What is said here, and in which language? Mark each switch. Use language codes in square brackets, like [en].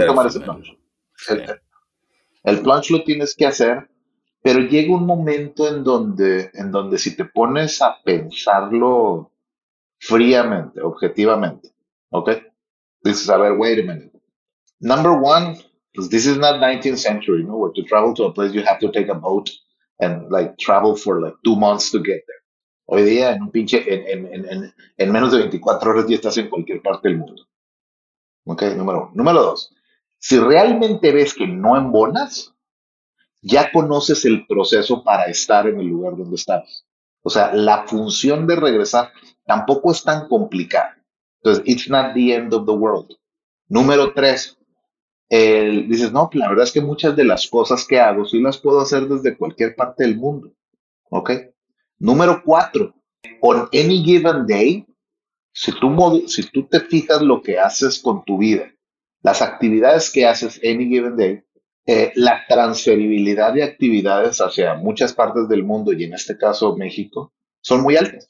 [es] hacer al tomar ese final. [en] plunge. [es] Sí. El plunge lo tienes que hacer, pero llega un momento en donde si te pones a pensarlo fríamente, objetivamente, ¿ok? Dices, a ver, [en] wait a minute. Number one. Because this is not 19th century, ¿no? Where to travel to a place you have to take a boat and like travel for like 2 months to get there. [es] Hoy día en un pinche, en menos de 24 horas ya estás en cualquier parte del mundo. Ok, número uno. Número dos, si realmente ves que no embonas, ya conoces el proceso para estar en el lugar donde estás. O sea, la función de regresar tampoco es tan complicada. Entonces, [en] it's not the end of the world. [es] Número tres. Dices, no, la verdad es que muchas de las cosas que hago sí las puedo hacer desde cualquier parte del mundo. ¿Ok? Número cuatro, [en] on any given day, [es] si tú te fijas lo que haces con tu vida, las actividades que haces [en] any given day, [es] la transferibilidad de actividades hacia muchas partes del mundo y en este caso México, son muy altas.